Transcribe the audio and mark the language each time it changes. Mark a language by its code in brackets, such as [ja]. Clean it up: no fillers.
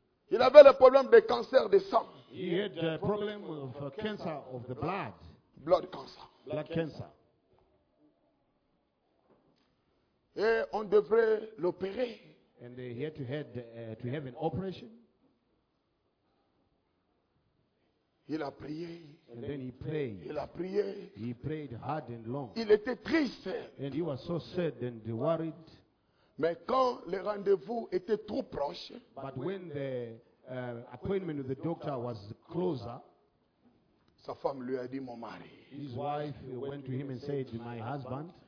[fr] Il avait le problème de cancer de sang. [en] He had the problem of cancer of the blood. Blood cancer. Blood cancer. [fr] Et on devrait l'opérer. [en] And he had to have an operation. [fr] Il a prié. [en] And then he prayed. [fr] Il a prié. [en] He prayed hard and long. [fr] Il était triste. [en] And he was so sad and worried. [fr] Mais quand le rendez-vous était trop proche, [en] but when the appointment with the doctor was closer, [fr] sa femme lui a dit, mon mari, [en] his wife went to him and said, my husband,